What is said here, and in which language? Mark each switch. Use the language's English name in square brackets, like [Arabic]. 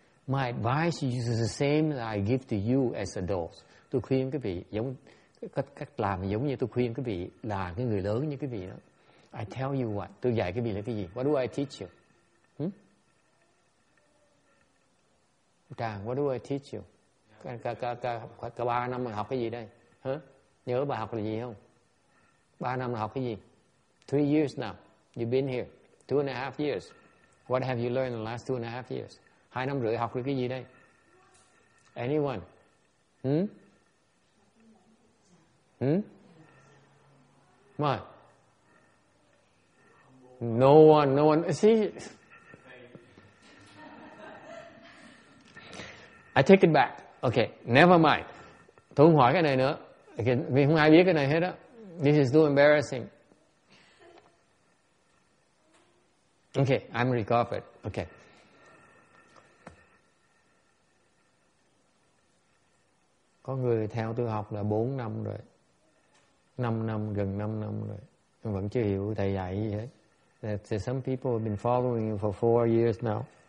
[English] My advice is the same that I give to you as adults. [Vietnamese] Tôi khuyên quý vị giống cách làm giống như tôi khuyên quý vị là cái người lớn như quý vị đó. [English] I tell you what. [Vietnamese] Tôi dạy quý vị là cái gì? [English] What do I teach you? Trang, what do I teach you? [Vietnamese] Cả 3 năm mình học cái gì đây? Huh? Nhớ bài học là gì không? 3 năm mình học cái gì? [English] 3 years now. You've been here. 2.5 years. What have you learned in the last 2.5 years? [Vietnamese] 2 năm rưỡi học được cái gì đây? [English] Anyone? What? No one. See? I take it back. Okay, never mind. [Vietnamese] Tôi không hỏi cái này nữa. Okay, vì không ai biết cái này hết á. [English] This is too embarrassing. Okay, I'm recovered. Okay. [Vietnamese] Có người theo tôi học là 4 năm rồi. 5 năm, gần 5 năm rồi. Tôi vẫn chưa hiểu thầy dạy gì hết. [English] There's some people have been following you for 4 years now.